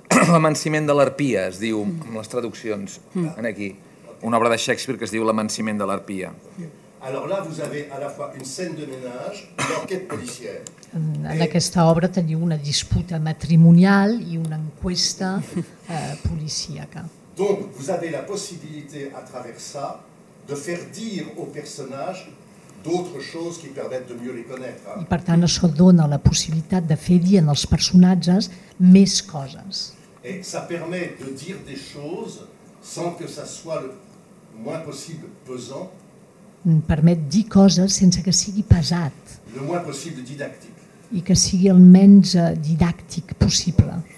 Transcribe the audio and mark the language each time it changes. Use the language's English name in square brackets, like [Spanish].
[Catalan] L'emanciment de l'arpia, es diu, amb les traduccions, aquí. Una obra de Shakespeare que es diu L'emanciment de l'arpia. [French] Alors là, vous avez à la fois une scène de ménage, une enquête policière. [Catalan] En aquesta obra teniu una disputa matrimonial i una enquesta policíaca. [French] Donc, vous avez la possibilité à travers ça de faire dire aux personnages d'autres choses qui permettent de mieux les connaître. [Catalan] I per tant, això dona la possibilitat de fer dir en els personatges més coses. [French] Et ça permet de dire des choses sans que ça soit le moins possible pesant. [Catalan] Permet dir coses sense que sigui pesat. [French] Le moins possible didactique. [Catalan] I que sigui el menys didàctic possible.